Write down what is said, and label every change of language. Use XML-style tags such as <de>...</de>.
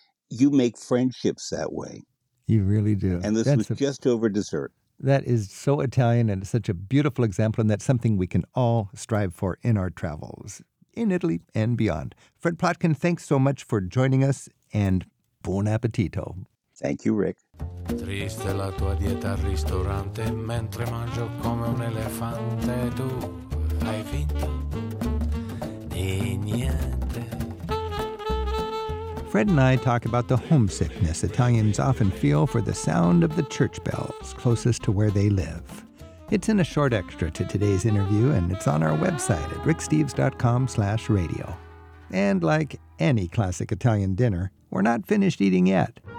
<en>You make friendships that way. You really do. And this was just over dessert. That is so Italian and such a beautiful example, and that's something we can all strive for in our travels in Italy and beyond. Fred Plotkin, thanks so much for joining us, and buon appetito. Thank you, Rick.</en> <it>Triste la tua dieta al ristorante, mentre mangio come un elefante, tu hai vinto di niente.</it> <en>Fred and I talk about the homesickness Italians often feel for the sound of the church bells closest to where they live. It's in a short extra to today's interview, and it's on our website at ricksteves.com/radio. And like any classic Italian dinner, we're not finished eating yet.</en>